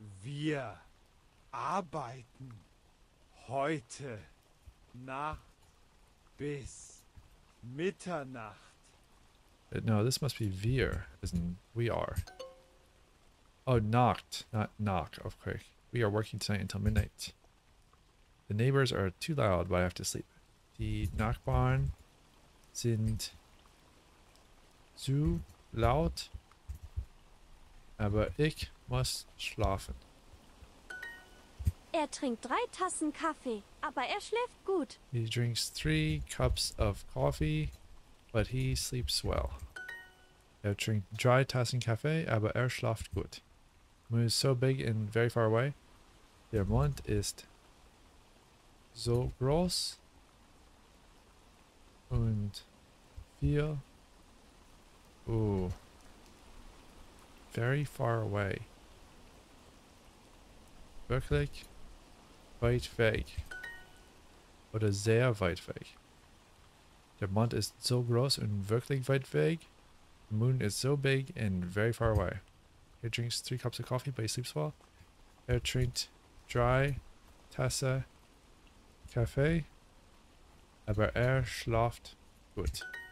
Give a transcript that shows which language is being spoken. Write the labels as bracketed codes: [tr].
[de] Wir arbeiten heute Nacht bis Mitternacht. [en] No, this must be wir, as in we are. Oh, Nacht, not knock, of course. We are working tonight until midnight. The neighbors are too loud, but I have to sleep. [de] Die Nachbarn sind zu laut, aber ich muss schlafen. Er trinkt 3 Tassen Kaffee, aber er schläft gut. [en] He drinks 3 cups of coffee, but he sleeps well. [de] Er trinkt 3 Tassen Kaffee, aber er schläft gut. [en] The moon is so big and very far away. [de] Der Mond ist so groß. Und wir. Oh. [en] Very far away. [de] Wirklich weit weg. Oder sehr weit weg. Der Mond ist so groß und wirklich weit weg. [en] The moon is so big and very far away. He drinks 3 cups of coffee, but he sleeps well. [de] Er trinkt 3 Tasse Kaffee, aber er schlaft gut.